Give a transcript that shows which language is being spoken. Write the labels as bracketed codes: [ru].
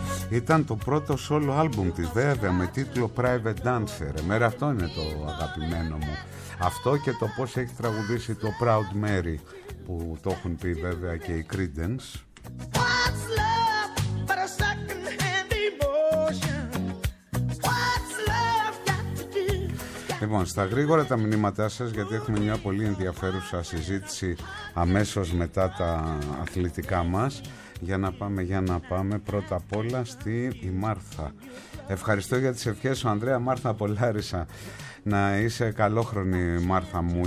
[el] Ήταν το πρώτο solo album της, βέβαια, με τίτλο Private Dancer. Εμέρα αυτό είναι το αγαπημένο μου. Αυτό και το πώς έχει τραγουδήσει το Proud Mary, που το έχουν πει βέβαια και οι Creedence. [en] What's love but a second-hand emotion? What's love got to do? [el] Λοιπόν, στα γρήγορα τα μηνύματά σας, γιατί έχουμε μια πολύ ενδιαφέρουσα συζήτηση αμέσως μετά τα αθλητικά μας. Για να πάμε πρώτα απ' όλα στη η Μάρθα. Ευχαριστώ για τις ευχές σου, Ανδρέα. Μάρθα από Λάρισα. Να είσαι καλόχρονη, Μάρθα μου.